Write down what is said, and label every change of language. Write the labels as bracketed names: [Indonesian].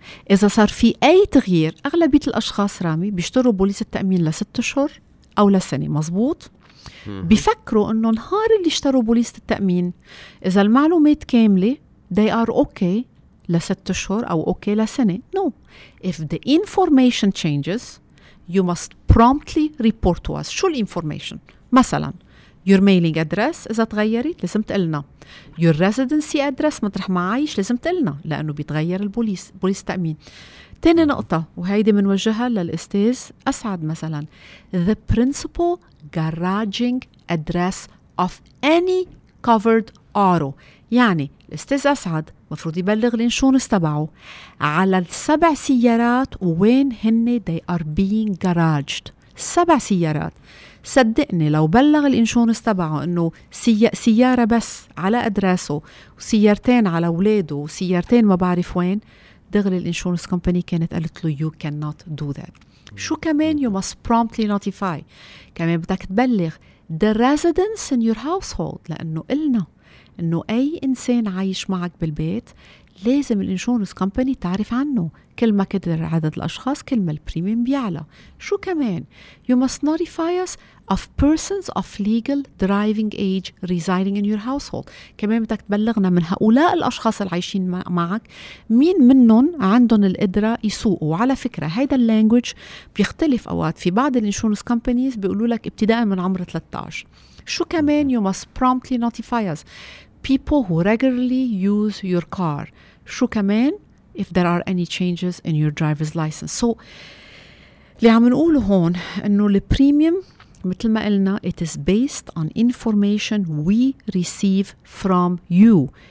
[Arabic] إذا صار في أي تغيير، أغلبية الأشخاص رامي بيشتروا بوليس التأمين لست أشهر أو لسنة، مظبوط؟ بيفكروا أنه نهار اللي اشتروا بوليس التأمين إذا المعلومات كاملة [English] they are okay [Arabic] لست أشهر أو okay لسنة. [English] No. If the information changes you must promptly report to us. [Arabic] شو الانفورميشن؟ مثلاً [English] your mailing address [Arabic] إذا تغيرت لازم تقلنا، [English] your residency address [Arabic] مطرح ما عايش لازم تقلنا لأنه بيتغير البوليس، بوليس تأمين. تاني نقطة وهيدي منوجهها للأستاذ أسعد مثلاً، [English] the principal garaging address of any covered auto. [Arabic] يعني الأستاذ أسعد مفروض يبلغ الانشورنس تبعه على السبع سيارات وين هن [English] they are being garaged. [Arabic] سبع سيارات، صدقني لو بلغ الانشورنس تبعه انه سيارة بس على ادراسه وسيارتين على ولاده وسيارتين ما بعرف وين، دغري الانشورنس كومباني كانت قالت له [English] you cannot do that. [Arabic] شو كمان؟ [English] you must promptly notify. [Arabic] كمان بدك تبلغ [English] the residents in your household، [Arabic] لانه قلنا انه اي انسان عايش معك بالبيت لازم الانشورنس كومباني تعرف عنه. كل ما كتر عدد الاشخاص كل ما البريميوم بيعلى. شو كمان؟ [English] you must notify us of persons of legal driving age residing in your household. [Arabic] كمان بدك تبلغنا من هؤلاء الاشخاص اللي عايشين معك مين منهم عندهم القدره يسوقوا. على فكره هيدا اللانجويج بيختلف اوقات، في بعض الانشورنس كومبانيز بيقولوا لك ابتداء من عمر 13. شو كمان؟ [English] you must promptly notify us people who regularly use your car. [Arabic] شو كمان؟ [English] if there are any changes in your driver's license. So [Arabic] اللي عم نقوله هون انه البريميوم مثل ما قلنا [English] it is based on information we receive from you.